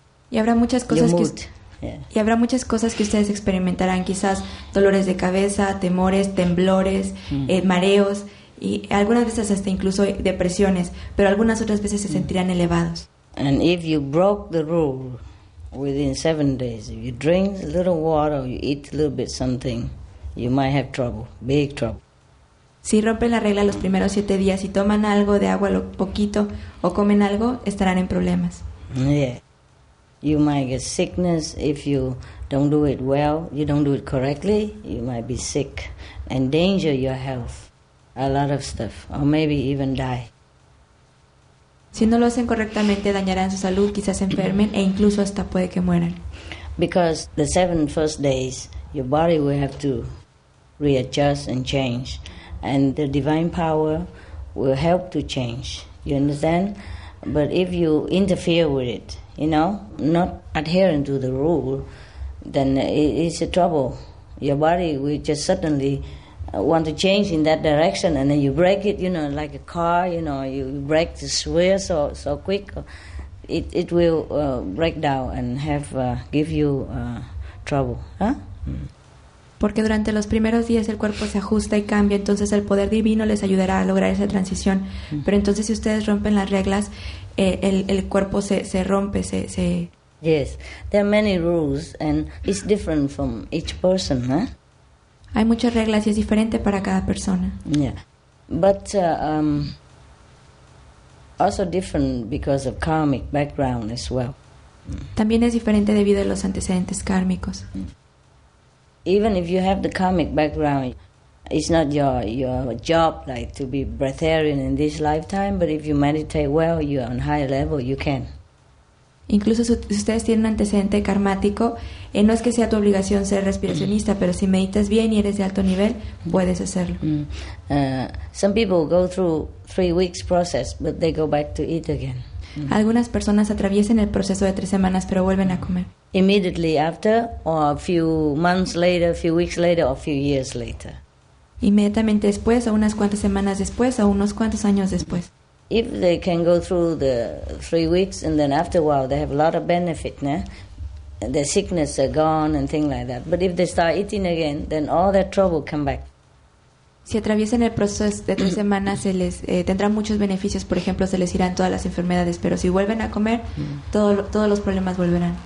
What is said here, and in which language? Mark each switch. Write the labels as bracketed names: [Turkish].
[Spanish] Y habrá muchas cosas que y habrá muchas cosas que ustedes experimentarán, quizás dolores de cabeza, temores, temblores, mareos y algunas veces hasta incluso depresiones, pero algunas otras veces se sentirán elevados. [English] And if you broke the rule within 7 days, if you drink a little water or you eat a little bit something, you might have trouble, big trouble. [Spanish] Si rompen la regla los primeros 7 días y toman algo de agua lo poquito o comen algo, estarán en problemas. [English] Yeah. You might get sickness if you don't do it well, you don't do it correctly, you might be sick, endanger your health, a lot of stuff, or maybe even die. [Spanish] Si no lo hacen correctamente, dañarán su salud, quizás enfermen e incluso hasta puede que mueran. [English] Because the 7 first days, your body will have to readjust and change. And the divine power will help to change. You understand? But if you interfere with it, you know, not adhering to the rule, then it's a trouble. Your body will just suddenly want to change in that direction, and then you break it, you know, like a car, you know, you break the wheel so quick, it will break down and have give you trouble. Huh? [Spanish] Porque durante los primeros días el cuerpo se ajusta y cambia, entonces el poder divino les ayudará a lograr esa transición. Pero entonces si ustedes rompen las reglas, el cuerpo se rompe, se [English] Yes, there are many rules and it's different from each person, huh? [Spanish] Hay muchas reglas y es diferente para cada persona. [English] Yeah, but also different because of karmic background as well. [Spanish] También es diferente debido a los antecedentes kármicos. [English] Even if you have the karmic background, it's not your job like to be breatharian in this lifetime, but if you meditate well, you are on high level, you can. [Spanish] Incluso si ustedes tienen un antecedente karmático, no es que sea tu obligación ser respiracionista, pero si meditas bien y eres de alto nivel, puedes hacerlo. [English] Some people go through 3 weeks process, but they go back to eat again. [Spanish] Algunas personas atraviesan el proceso de 3 semanas, pero vuelven a comer. [English] Immediately after, or a few months later, a few weeks later, or a few years later. [Spanish] Inmediatamente después, o unas cuantas semanas después, o unos cuantos años después. [English] If they can go through the 3 weeks, and then after a while, they have a lot of benefit, ne? Their sickness are gone, and things like that. But if they start eating again, then all that trouble come back. [Spanish] Si atraviesan el proceso de 3 semanas, se les tendrán muchos beneficios. Por ejemplo, se les irán todas las enfermedades. Pero si vuelven a comer, todos los problemas volverán.